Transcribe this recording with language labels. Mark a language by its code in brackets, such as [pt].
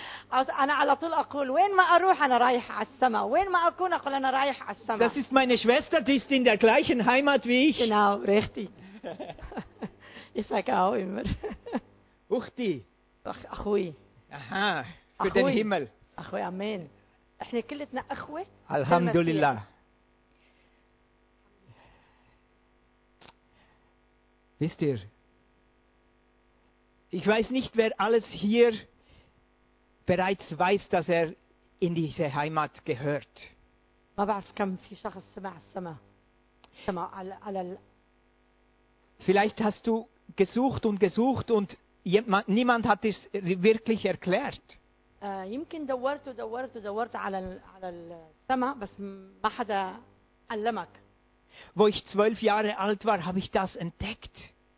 [de] Also, [ar] أنا على طول أقول, وين ما أروح أنا رايح على السماء. وين ما أكون أقول أنا رايح على السماء. [de] Das ist meine Schwester, die ist in der gleichen Heimat wie ich. Genau, richtig. Ich sage auch immer. [ar] Uchti. Ach, أخوي. [de] Aha, für den Himmel. [ar] أخوي, Amen. احنا كلتنا أخوة. الحمد لله. [de] Wisst ihr, ich weiß nicht, wer alles hier bereits weiß, dass er in diese Heimat gehört. [ar] ما بعرف كم في شخص سمع السماء. سمع على على ال... [de] Vielleicht hast du gesucht und gesucht und niemand hat es wirklich erklärt. [ar] يمكن دورت على السماء بس ما حدا علمك. [de] Wo ich 12 Jahre alt war, habe ich das entdeckt.